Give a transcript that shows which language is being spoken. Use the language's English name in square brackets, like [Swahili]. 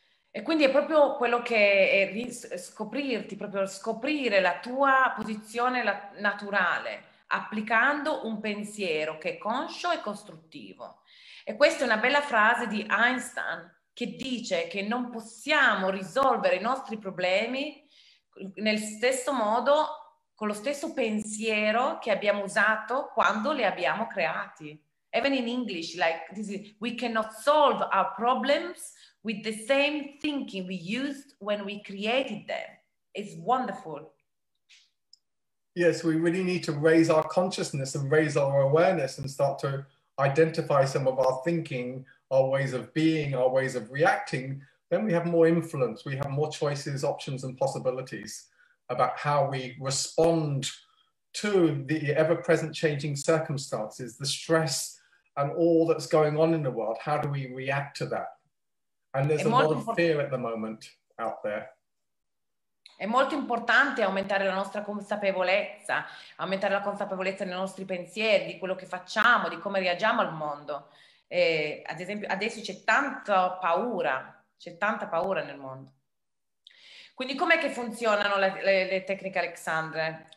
[Italian] E quindi è proprio quello che è scoprirti, proprio scoprire la tua posizione naturale applicando un pensiero che è conscio e costruttivo. E questa è una bella frase di Einstein, che dice che non possiamo risolvere i nostri problemi nel stesso modo, con lo stesso pensiero che abbiamo usato quando li abbiamo creati. [English] Even in English, like this is, we cannot solve our problems with the same thinking we used when we created them. It's wonderful. Yes, we really need to raise our consciousness and raise our awareness and start to identify some of our thinking, our ways of being, our ways of reacting, then we have more influence, we have more choices, options and possibilities about how we respond to the ever-present changing circumstances, the stress and all that's going on in the world. How do we react to that? And there's a lot of fear at the moment out there. [Italian] È molto importante aumentare la nostra consapevolezza, aumentare la consapevolezza nei nostri pensieri, di quello che facciamo, di come reagiamo al mondo. Ad esempio adesso c'è tanta paura nel mondo. Quindi com'è che funzionano le tecniche Alexandre?